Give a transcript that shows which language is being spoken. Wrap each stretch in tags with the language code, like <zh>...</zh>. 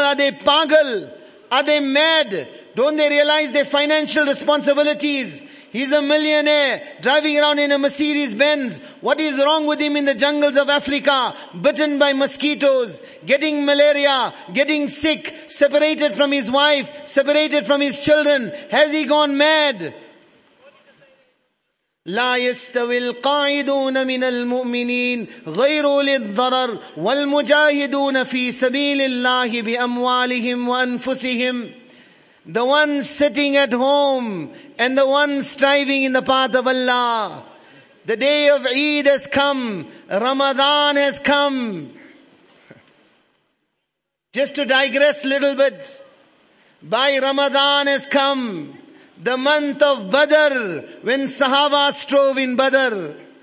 <en>Are they pagal? Are they mad? Don't they realize their financial responsibilities? He's a millionaire driving around in a Mercedes Benz. What is wrong with him in the jungles of Africa? Bitten by mosquitoes, getting malaria, getting sick, separated from his wife, separated from his children. Has he gone mad?</en> <ar>لا يستوي القاعدون من المؤمنين غير أولي الضرر والمجاهدون في سبيل الله بأموالهم وأنفسهم.</ar> <en>The one sitting at home and the one striving in the path of Allah. The day of Eid has come. Ramadan has come. Just to digress a little bit. By Ramadan has come. The month of Badr, when Sahaba strove in Badr.</en>